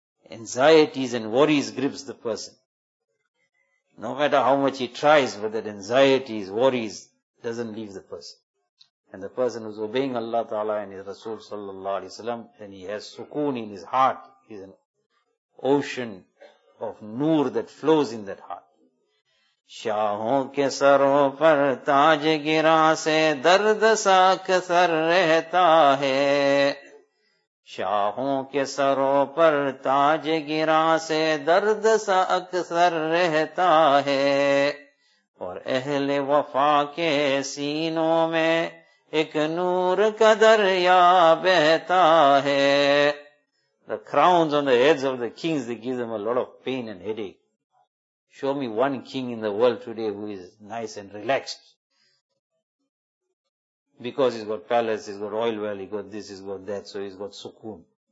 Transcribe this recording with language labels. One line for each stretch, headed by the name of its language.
English: Anxieties and worries grips the person. No matter how much he tries, but that anxieties, worries, doesn't leave the person. And the person who is obeying Allah Ta'ala and his Rasul Sallallahu Alaihi Wasallam, then he has sukoon in his heart. He's an ocean of noor that flows in that heart.
Urdu: شاہوں کے سروں پر تاج گرا سے درد سا کثر رہتا ہے شاہوں کے سروں پر تاج گرا سے درد سا اکثر رہتا ہے اور اہل وفا کے سینوں میں ایک نور کا دریا بہتا ہے.
English: The crowns on the heads of the kings, they give them a lot of pain and headache. Show me one king in the world today who is nice and relaxed. Because he's got palace, he's got oil well, he's got this, he's got that, so he's got sukoon.